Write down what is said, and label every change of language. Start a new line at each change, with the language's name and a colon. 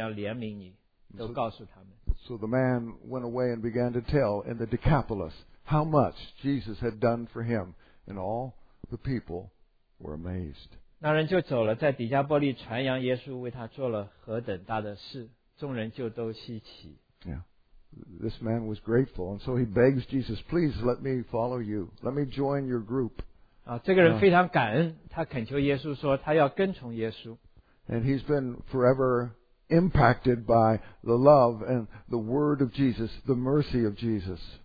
Chinese: 却对他说：“你回家去，到你亲属那里，将主为你所做的是何等大的事，是怎样怜悯你，都告诉他们。”So
English: the man went away and began to tell in the Decapolis how much Jesus had done for him, and all the people were amazed.
Chinese: 那人就走了，在底加波利传扬耶稣为他做了何等大的事，众人就都稀奇。Yeah,
English: this man was grateful, and so he begs Jesus, please let me follow you, let me join your group.
Chinese: 这个人非常感恩，他恳求耶稣说他要跟从耶稣。And
English: he's been forever impacted by the love and the word of Jesus, the mercy of Jesus.